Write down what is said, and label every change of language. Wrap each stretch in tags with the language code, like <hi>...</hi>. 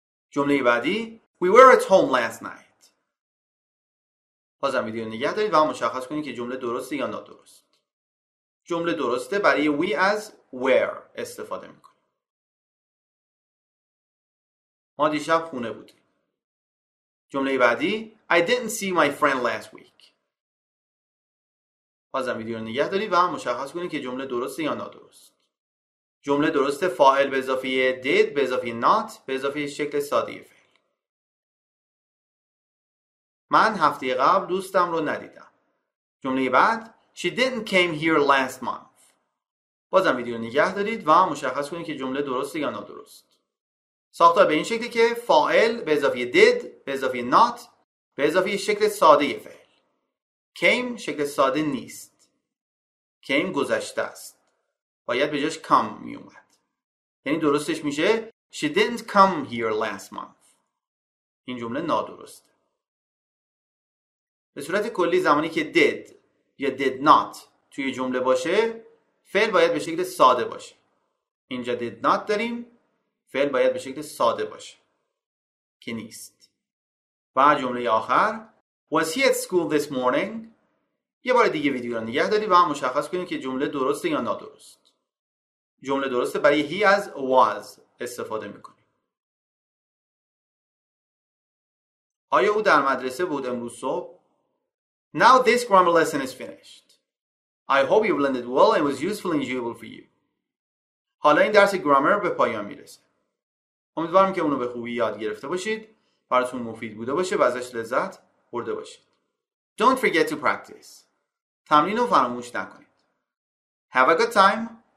<fa>جمله بعدی</fa> <en>We were at home last night.</en> <fa>بازم ویدیو رو نگه دارید و مشخص کنید که جمله درسته یا نادرست. جمله درسته برای we از where استفاده میکنه. ما دیشب خونه بودیم. جمله بعدی</fa> <en>I didn't see my friend last week.</en> <fa>بازم ویدیو رو نگه دارید و مشخص کنید که جمله درسته یا نادرست. جمله درسته فاعل به اضافه did به اضافه not به اضافه شکل ساده فعل. من هفته قبل دوستم رو ندیدم. جمله بعد</fa> <en>She didn't came here last month.</en> <fa>بازم ویدیو رو نگه دارید و مشخص کنید که جمله درسته یا نادرست. ساختار به این شکلی که فاعل به اضافه did به اضافه not به اضافه شکل ساده فعل. Came شکل ساده نیست. Came گذشته است. باید به جاش come می اومد. یعنی درستش میشه</fa> <en>She didn't come here last month.</en> <fa>این جمله نادرسته. به صورت کلی زمانی که did یا did not توی جمله باشه فعل باید به شکل ساده باشه. اینجا did not داریم، فعل باید به شکل ساده باشه که نیست. و جمله آخر</fa> <en>Was he at school this morning?</en> <fa>یه بار دیگه ویدیو رو نگه دارید و مشخص کنید که جمله درسته یا نادرست. جمله درسته برای he از was استفاده میکنیم. آیا او در مدرسه بود امروز صبح؟</fa> <en>Now this grammar lesson is finished. I hope you learned it well and was useful and enjoyable for you.</en> <fa>حالا این درس گرامر به پایان میرسه. امیدوارم که اونو به خوبی یاد گرفته باشید، براتون مفید بوده باشه و ازش لذت برده باشید.</fa> <en>Don't forget to practice.</en> <fa>تمرین رو فراموش نکنید.</fa> <en>Have a good time.</en>